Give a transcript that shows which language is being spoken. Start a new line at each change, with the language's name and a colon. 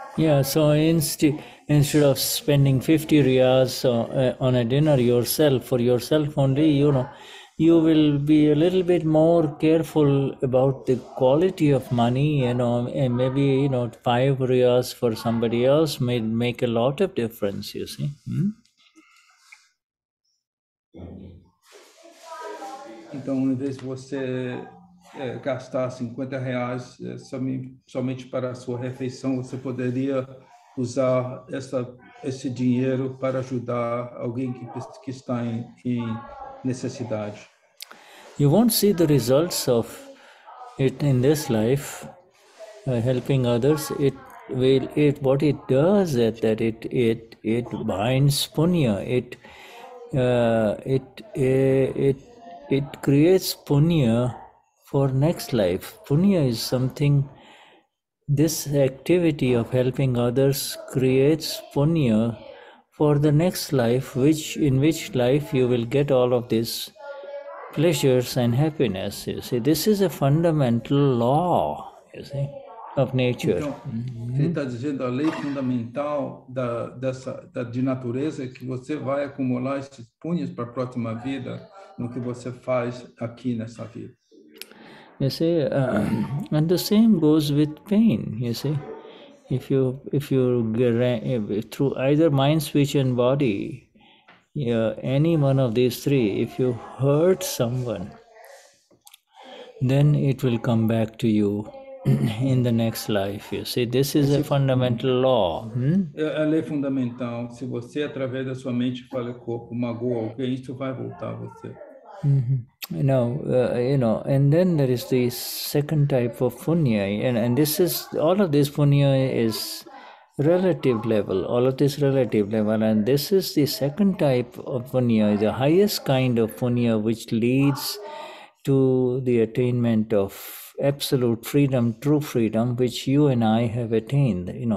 English: Yeah, so instead of spending 50 riyals on a dinner yourself, for yourself only, you will be a little bit more careful about the quality of money, and maybe, 5 riyals for somebody else may make a lot of difference, you see.
Portuguese: Então, em vez de você gastar R$ 50 somente para a sua refeição, você poderia usar esse dinheiro para ajudar alguém que está em necessidade.
English: You won't see the results of it in this life, helping others. What it does is that it binds punya. It creates punya for next life. Punya is something. This activity of helping others creates punya for the next life, in which life you will get all of this. Pleasures and happiness, you see. This is a fundamental law, you see, of nature.
Portuguese: Então, ele está dizendo a lei fundamental de natureza é que você vai acumular esses punhos para a próxima vida, no que você faz aqui nessa vida.
English: You see, and the same goes with pain, you see. If you through either mind, speech, and body. Yeah, any one of these three, if you hurt someone, then it will come back to you in the next life. You see, this is a fundamental law.
Portuguese: É a lei fundamental. Se você, através da sua mente, fala corpo, magoa alguém, isso vai voltar a você.
English: Now, and then there is the second type of punya, and this is all of this punya is. Relative level, all of this relative level, and this is the second type of punya, the highest kind of punya, which leads to the attainment of absolute freedom, true freedom, which you and I have attained.